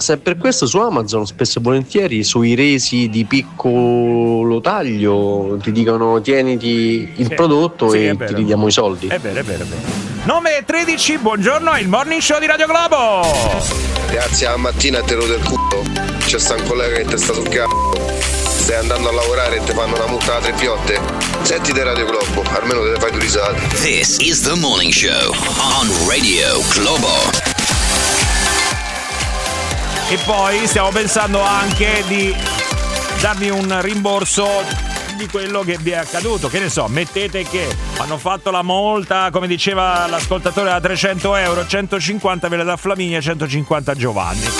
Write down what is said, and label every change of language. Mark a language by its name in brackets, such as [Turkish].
[Italian] Se per questo su Amazon spesso e volentieri sui resi di piccolo taglio ti dicono tieniti il prodotto ti ridiamo i soldi. È vero. Nome 13, buongiorno, il morning show di Radio Globo. Grazie, a mattina te lo del culo. C'è sta un collega che ti sta sul c***o. Stai andando a lavorare e ti fanno una multa da tre piotte. Senti te Radio Globo, almeno te ne fai due risate. [English] This is the morning show on Radio Globo. [Italian] E poi stiamo pensando anche di darvi un rimborso di quello che vi è accaduto. Che ne so, mettete che hanno fatto la multa, come diceva l'ascoltatore, a 300 euro, 150 ve la dà Flaminia, 150 Giovanni.